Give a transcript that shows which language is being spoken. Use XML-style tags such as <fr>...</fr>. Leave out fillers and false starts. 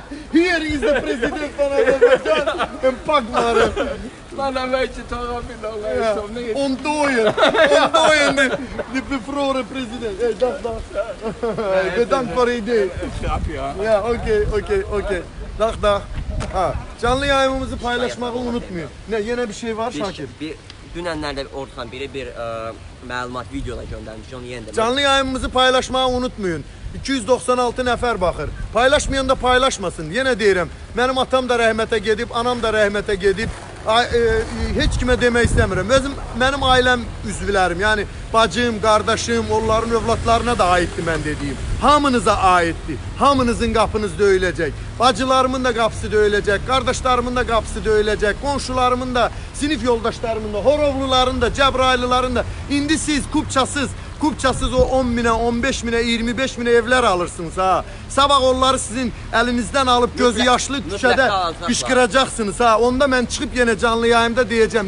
<nl>Hier is de president van Azerbeidzjan. Een pak naar hem. Maar dan weet je toch of je nog leest of niet. Ontdooien. Ontdooien die bevroren president. Hey, dag, dag. Nee, bedankt voor het idee. Grapje, ja. Ja, oké. Dag, dag.</nl> <tr>Canlı yayınımızı paylaşmayı unutmayın. Ne, yine bir şey var Şakir? Dünenlerde Orhan biri bir məlumat videoda göndermiş, onu yeniden... Canlı yayınımızı paylaşmayı unutmayın.</tr> <az>296 nəfər baxır. Paylaşmayan da paylaşmasın. Yine deyirəm, benim atam da rəhmətə gedib, anam da rəhmətə gedib. Heç kimə demək istəmirəm. Özüm, benim ailəm üzvlərim, yani bacım, kardeşim, onların övladlarına da aiddir mən dediyim. Hamınıza aiddir. Hamınızın qapınız döyüləcək. Bacılarımın da qapısı döyüləcək. Qardaşlarımın da qapısı döyüləcək. Qonşularımın da, sinif yoldaşlarımın da, Horovluların da, Cəbrayılıların da. İndi siz kupçasız, kupçasız o 10.000-ə, 15.000-ə, 25.000-ə evlər alırsınız ha. Sabah onları sizin əlinizdən alıb gözü yaşlı küçədə qışqıracaqsınız ha. Onda mən çıxıb yenə canlı yayımda deyəcəm.</az>